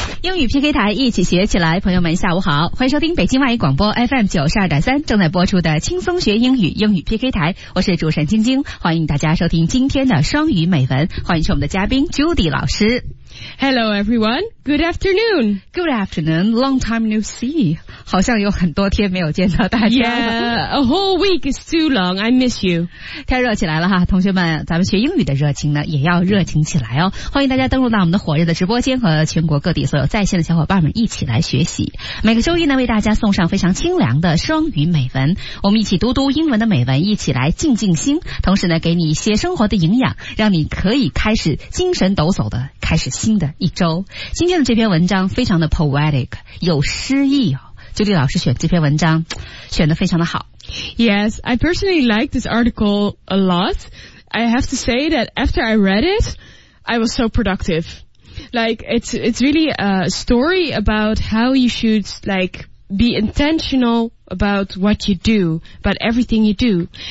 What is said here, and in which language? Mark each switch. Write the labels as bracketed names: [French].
[Chinese] 英语 PK 台一起学起来，朋友们下午好，欢迎收听北京外语广播 FM92.3 正在播出的轻松学英语英语 PK 台，我是主持人晶晶，欢迎大家收听今天的双语美文，欢迎是我们的嘉宾 Judy 老师。 [English] Hello everyone, good afternoon. Good afternoon, long time no see. [Chinese] 好像有很多天没有见到大家。 [English] Yeah, a whole week is too long, I miss you. [Chinese] 太热起来了哈，同学们，咱们学英语的热情呢，也要热情起来哦。欢迎大家登录到我们的火热的直播间和全国各地所有在线的小伙伴们一起来学习。每个周一呢，为大家送上非常清凉的双语美文，我们一起读读英文的美文，一起来静静心，同时呢，给你一些生活的营养，让你可以开始精神抖擞的开始新的一周。今天的这篇文章非常的 poetic， 有诗意哦。 Judy 老师选这篇文章选得非常的好。 [English] Yes, I personally like this article a lot. I have to say that after I read it, I was so productive. Like, it's really a story about how you should, like,be intentional about what you do, about everything you do.